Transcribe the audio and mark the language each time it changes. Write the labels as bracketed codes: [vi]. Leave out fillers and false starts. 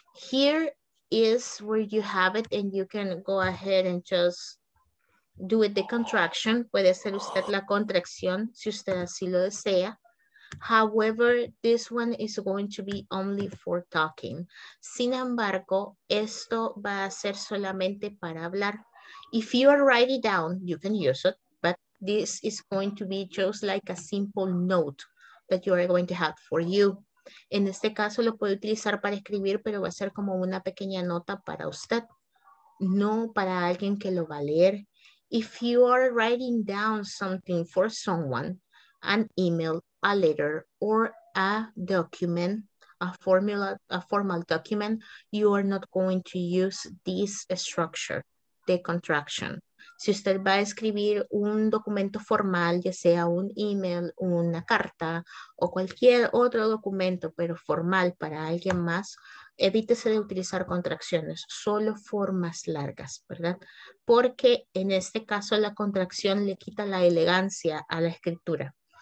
[en] Here is where you have it and you can go ahead and just do it the contraction. [es] Puede hacer usted la contracción si usted así lo desea. [en] However, this one is going to be only for talking. [es] Sin embargo, esto va a ser solamente para hablar. [en] If you are writing down, you can use it, but this is going to be just like a simple note that you are going to have for you. [es] En este caso, lo puede utilizar para escribir, pero va a ser como una pequeña nota para usted, no para alguien que lo va a leer. [en] If you are writing down something for someone, an email, a letter or a document, a formula, a formal document, you are not going to use this structure, the contraction. [es] Si usted va a escribir un documento formal, ya sea un email, una carta o cualquier otro documento, pero formal para alguien más, evítese de utilizar contracciones, solo formas largas, ¿verdad? Porque en este caso la contracción le quita la elegancia a la escritura.